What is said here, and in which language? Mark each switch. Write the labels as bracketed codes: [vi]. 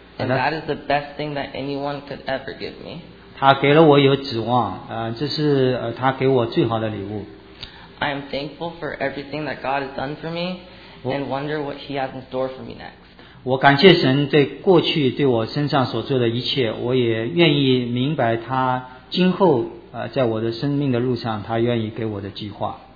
[en] And that is the best thing that anyone could ever give me. [zh] 他给了我有指望，这是他给我最好的礼物。 [en] I am thankful for everything that God has done for me, and wonder what He has in store for me next. [zh] 我感谢神对过去对我身上所做的一切，我也愿意明白他今后在我的生命的路上，他愿意给我的计划。